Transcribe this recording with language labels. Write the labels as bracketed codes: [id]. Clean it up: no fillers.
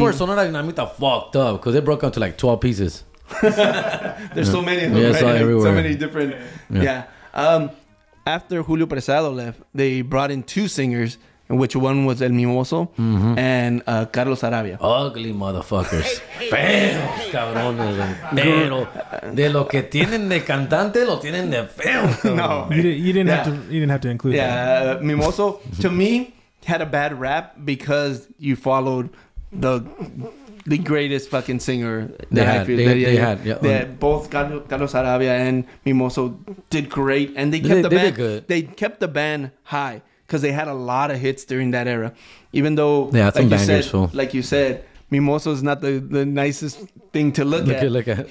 [en] where Sonora Dinamita fucked up, because they broke up to like 12 pieces. There's so many of them. Yeah, right? Everywhere. So many different. Yeah. After Julio Preciado left, they brought in two singers, in which one was El Mimoso and Carlos Arabia. Ugly motherfuckers. [es] Feos, cabrones. Pero de lo que tienen de cantante, lo tienen de feo. [en] No. You didn't have to include that. Yeah, Mimoso, to me, had a bad rap because you followed the greatest fucking singer they had. Both Carlos Arabia and Mimoso did great, and they kept the band high because they had a lot of hits during that era, even though like you said Mimoso is not the nicest thing to look at.